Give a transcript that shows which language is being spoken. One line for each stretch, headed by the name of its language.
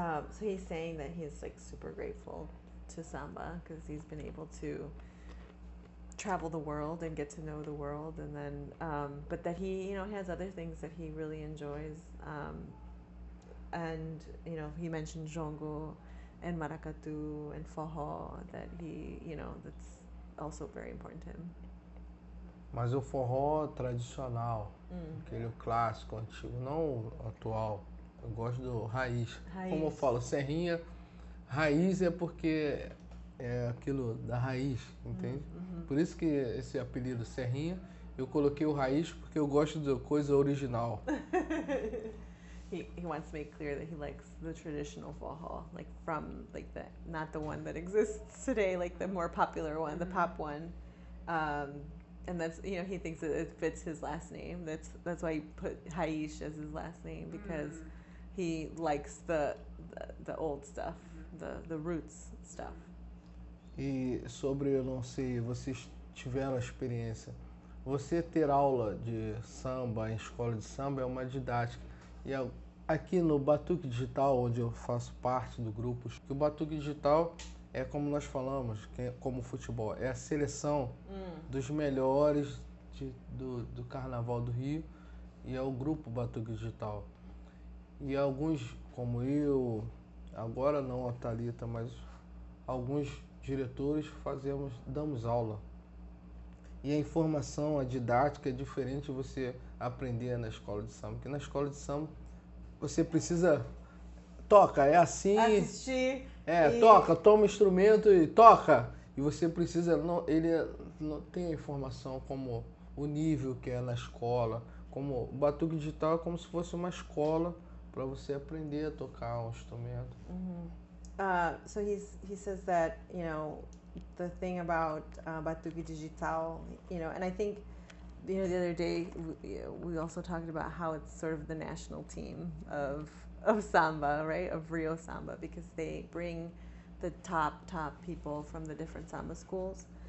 English: So he's saying that he's like super grateful to samba because he's been able to travel the world and get to know the world, and then but that he, you know, has other things that he really enjoys, and you know, he mentioned jongo and maracatu and forró, that he, you know, that's also very important to him.
Portuguese: Mas o forró tradicional, aquele clássico antigo, não atual. Eu gosto do raiz. Como eu falo, Serrinha, raiz é porque é aquilo da raiz, entende? Por isso que esse apelido Serrinha, eu coloquei o raiz porque eu gosto da coisa original.
English: He wants to make clear that he likes the traditional forró, like from like the not the one that exists today, like the more popular one, the pop one. And that's, you know, he thinks that it fits his last name. That's why he put Raiz as his last name, because he likes the old stuff, the roots stuff.
Portuguese: E sobre, eu não sei, vocês tiveram a experiência, Você ter aula de samba em escola de samba é uma didática. E aqui no Batuque Digital, onde eu faço parte do grupo, que o Batuque Digital é como nós falamos, que é como futebol, é a seleção dos melhores do Carnaval do Rio, e é o grupo Batuque Digital. E alguns, como eu, agora não a Thalita, mas alguns diretores damos aula. E a informação, a didática é diferente você aprender na escola de samba, porque na escola de samba você precisa toca, é assim, Assistir é, e toca, toma o instrumento e toca. E você precisa, não, ele não tem a informação como o nível que é na escola, como o Batuque Digital é como se fosse uma escola para você aprender a tocar um instrumento.
English: So he says that, you know, the thing about Batuque Digital, you know, and I think, you know, the other day we also talked about how it's sort of the national team of samba, right? Of Rio samba, because they bring the top people from the different samba schools.